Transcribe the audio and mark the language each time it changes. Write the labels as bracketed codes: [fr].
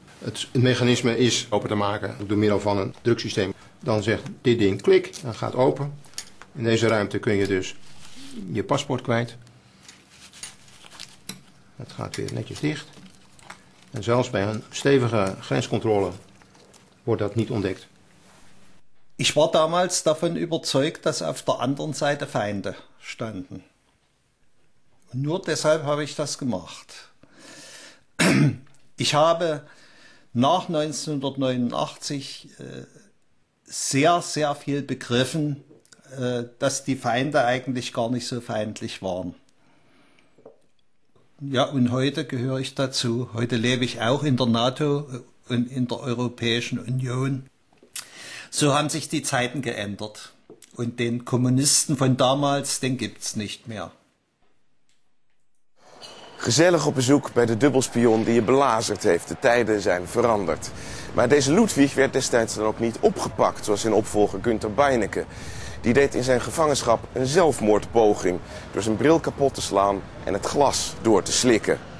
[nl] Het mechanisme is open te maken door middel van een druksysteem. Dan zegt dit ding klik, dan gaat open. In deze ruimte kun je dus je paspoort kwijt. Het gaat weer netjes dicht. En zelfs bij een stevige grenscontrole wordt dat niet ontdekt. [de] Ik was damals davon überzeugt dat op de andere Seite Feinde standen. Nur deshalb habe ich das gemacht. Ich habe nach 1989 sehr, sehr viel begriffen, dass die Feinde eigentlich gar nicht so feindlich waren. Ja, und heute gehöre ich dazu. Heute lebe ich auch in der NATO und in der Europäischen Union. So haben sich die Zeiten geändert. Und den Kommunisten von damals, den gibt's nicht mehr. [nl] Gezellig op bezoek bij de dubbelspion die je belazerd heeft. De tijden zijn veranderd. Maar deze Ludwig werd destijds dan ook niet opgepakt, zoals zijn opvolger Gunter Beinecke. Die deed in zijn gevangenschap een zelfmoordpoging door zijn bril kapot te slaan en het glas door te slikken.